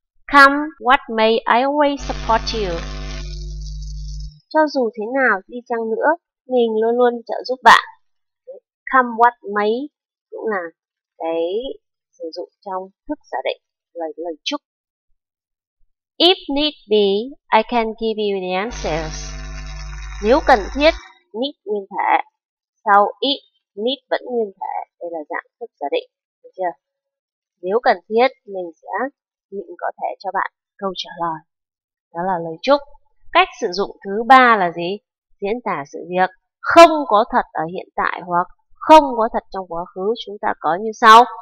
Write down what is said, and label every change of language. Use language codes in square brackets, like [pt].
[en] Come what may, I always support you. [vi] Cho dù thế nào đi chăng nữa, mình luôn luôn trợ giúp bạn. [en] Come what may [vi] cũng là cái sử dụng trong thức giả định, lời chúc. [en] If need be, I can give you the answers. [vi] Nếu cần thiết, need nguyên thể. Sau it, need vẫn nguyên thể. Đây là dạng thức giả định, được chưa? Nếu cần thiết, mình có thể cho bạn câu trả lời. Đó là lời chúc. Cách sử dụng thứ ba là gì? Diễn tả sự việc không có thật ở hiện tại hoặc không có thật trong quá khứ, chúng ta có như sau.